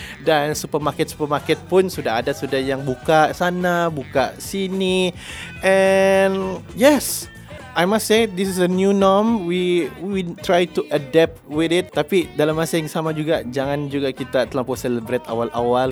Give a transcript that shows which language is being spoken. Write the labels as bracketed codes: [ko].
[ms] Dan supermarket-supermarket pun sudah ada, sudah yang buka sana, buka sini. [en] And yes, I must say this is a new norm. We try to adapt with it. [ms] Tapi dalam masa yang sama juga, jangan juga kita terlalu celebrate awal-awal.